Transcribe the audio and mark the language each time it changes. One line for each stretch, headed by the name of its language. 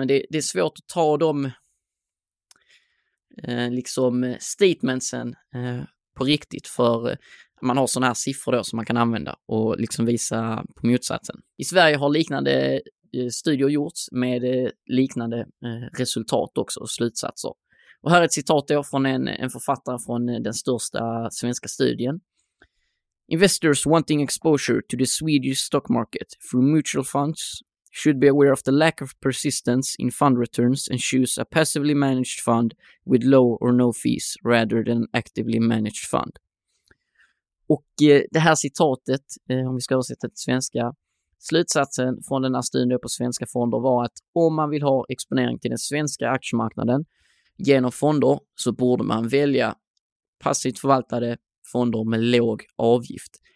Swedish: Men det är svårt att ta de liksom statementsen på riktigt, för man har sådana här siffror då som man kan använda och liksom visa på motsatsen. I Sverige har liknande studier gjorts med liknande resultat också och slutsatser. Och här är ett citat då från en författare från den största svenska studien.
English: Investors wanting exposure to the Swedish stock market through mutual funds should be aware of the lack of persistence in fund returns and choose a passively managed fund with low or no fees rather than actively managed fund.
Swedish: Och det här citatet, om vi ska översätta till svenska, slutsatsen från den här studien på svenska fonder var att om man vill ha exponering till den svenska aktiemarknaden genom fonder, så borde man välja passivt förvaltade fonder med låg avgift.